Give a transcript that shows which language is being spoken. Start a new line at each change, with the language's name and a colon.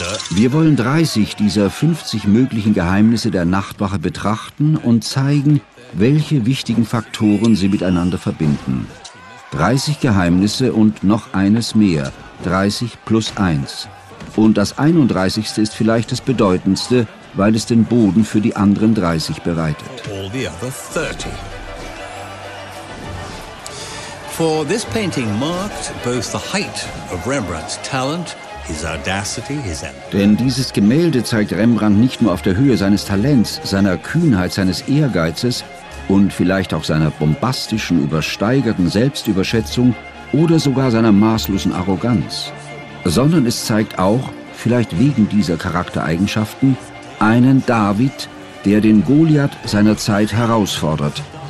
German: Wir wollen 30 dieser 50 möglichen Geheimnisse der Nachtwache betrachten und zeigen, welche wichtigen Faktoren sie miteinander verbinden. 30 Geheimnisse und noch eines mehr, 30 plus 1. Und das 31. ist vielleicht das Bedeutendste, weil es den Boden für die anderen 30 bereitet.
English: All the other 30. For this painting marked both the height of Rembrandt's talent, his audacity, his ambition.
German: Denn dieses Gemälde zeigt Rembrandt nicht nur auf der Höhe seines Talents, seiner Kühnheit, seines Ehrgeizes und vielleicht auch seiner bombastischen, übersteigerten Selbstüberschätzung oder sogar seiner maßlosen Arroganz, sondern es zeigt auch, vielleicht wegen dieser Charaktereigenschaften, einen David, der den Goliath seiner Zeit herausfordert.